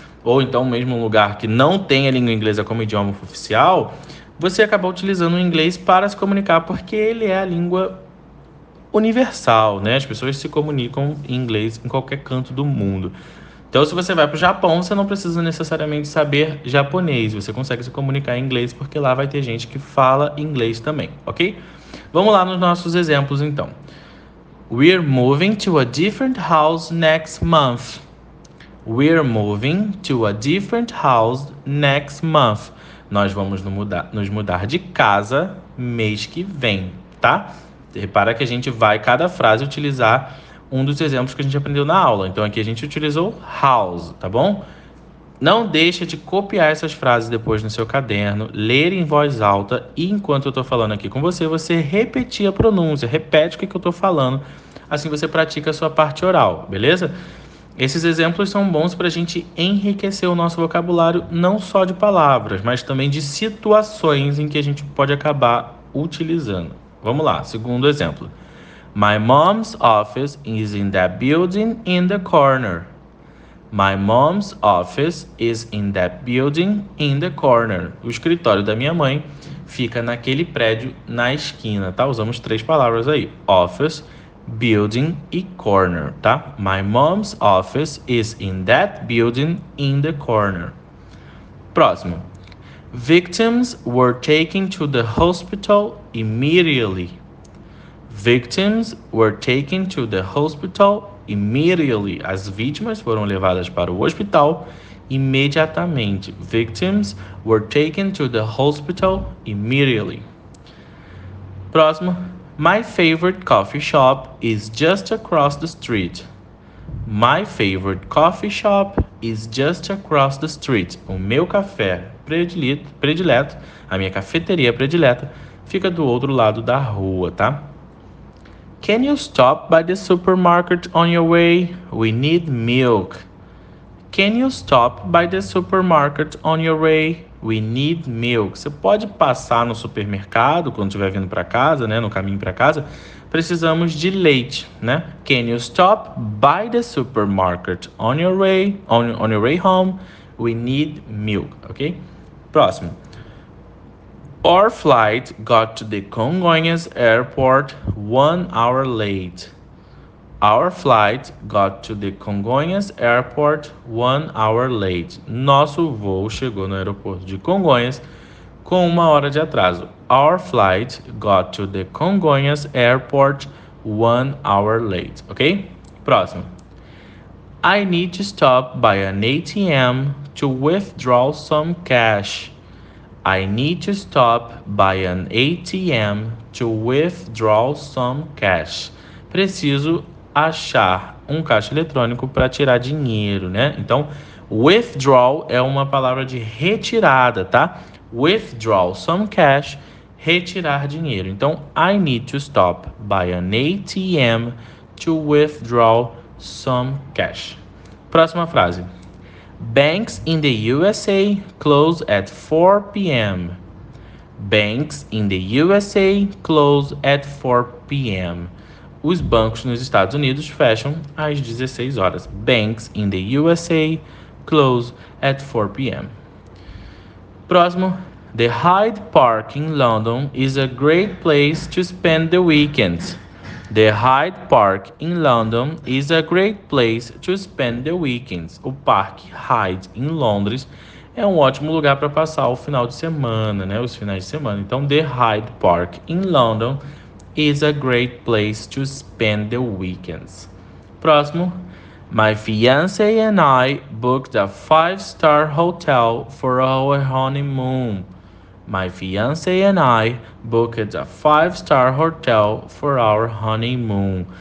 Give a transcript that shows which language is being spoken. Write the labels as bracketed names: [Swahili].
[Portuguese] Ou então mesmo um lugar que não tem a língua inglesa como idioma oficial, você acabar utilizando o inglês para se comunicar, porque ele é a língua universal, né? As pessoas se comunicam em inglês em qualquer canto do mundo. Então, se você vai para o Japão, você não precisa necessariamente saber japonês. Você consegue se comunicar em inglês, porque lá vai ter gente que fala inglês também, ok? Vamos lá nos nossos exemplos, então. [English] We're moving to a different house next month. We're moving to a different house next month. [Portuguese] Nós vamos nos mudar de casa mês que vem, tá? Repara que a gente vai, cada frase, utilizar um dos exemplos que a gente aprendeu na aula. Então aqui a gente utilizou house, tá bom? Não deixa de copiar essas frases depois no seu caderno, ler em voz alta e enquanto eu estou falando aqui com você, você repetir a pronúncia, repete o que eu estou falando. Assim você pratica a sua parte oral, beleza? Esses exemplos são bons para a gente enriquecer o nosso vocabulário, não só de palavras, mas também de situações em que a gente pode acabar utilizando. Vamos lá, segundo exemplo. [English] My mom's office is in that building in the corner. My mom's office is in that building in the corner. [Portuguese] O escritório da minha mãe fica naquele prédio na esquina, tá? Usamos três palavras aí: office, building e corner, tá? [English] My mom's office is in that building in the corner. [Portuguese] Próximo. [English] Victims were taken to the hospital immediately. Victims were taken to the hospital immediately. [Portuguese] As vítimas foram levadas para o hospital imediatamente. [English] Victims were taken to the hospital immediately. [Portuguese] Próximo. [English] My favorite coffee shop is just across the street. My favorite coffee shop is just across the street. [Portuguese] O meu café predileto, a minha cafeteria predileta, fica do outro lado da rua, tá? [English] Can you stop by the supermarket on your way? We need milk. Can you stop by the supermarket on your way? We need milk. [Portuguese] Você pode passar no supermercado quando estiver vindo para casa, né? No caminho para casa. Precisamos de leite, né? [English] Can you stop by the supermarket on your way? On your way home? We need milk, ok? [Portuguese] Próximo. [English] Our flight got to the Congonhas Airport 1 hour late. Our flight got to the Congonhas Airport 1 hour late. [Portuguese] Nosso voo chegou no aeroporto de Congonhas com 1 hora de atraso. [English] Our flight got to the Congonhas Airport 1 hour late. Ok? [Portuguese] Próximo. [English] I need to stop by an ATM to withdraw some cash. I need to stop by an ATM to withdraw some cash. [Portuguese] Preciso achar um caixa eletrônico para tirar dinheiro, né? Então, withdraw é uma palavra de retirada, tá? [English] Withdraw some cash, [Portuguese] retirar dinheiro. Então, [English] I need to stop by an ATM to withdraw some cash. [Portuguese] Próxima frase. [English] Banks in the USA close at 4 p.m. Banks in the USA close at 4 p.m. [Portuguese] Os bancos nos Estados Unidos fecham às 16 horas. [English] Banks in the USA close at 4 p.m. [Portuguese] Próximo. [English] The Hyde Park in London is a great place to spend the weekends. The Hyde Park in London is a great place to spend the weekends. [Portuguese] O Parque Hyde em Londres é um ótimo lugar para passar o final de semana, né? Os finais de semana. Então, [English] The Hyde Park in London is a great place to spend the weekends. [Portuguese] Próximo. [English] My fiance and I booked a five-star hotel for our honeymoon. My fiance and I booked a five-star hotel for our honeymoon.